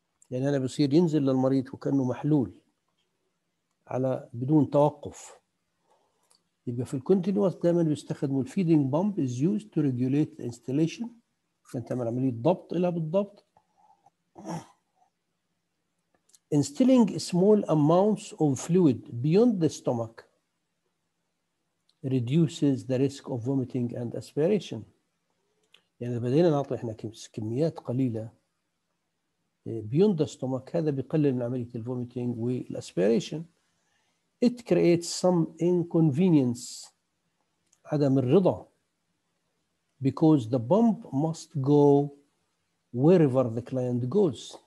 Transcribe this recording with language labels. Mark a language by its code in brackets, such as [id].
[ar] يعني أنا بصير ينزل للمريض وكأنه محلول على بدون توقف. يبقى في الكونتينوس دائما بيستخدموا [en] feeding pump is used to regulate the installation. [ar] فأنت تعمل عملية ضبط إلى بالضبط. [en] Instilling small amounts of fluid beyond the stomach reduces the risk of vomiting and aspiration. [ar] يعني بدينا نعطي احنا كميات قليلة [en] beyond the stomach، [ar] هذا بيقلل من عملية الـ vomiting والـ aspiration. [en] It creates some inconvenience، [ar] عدم الرضا، [en] because the pump must go wherever the client goes.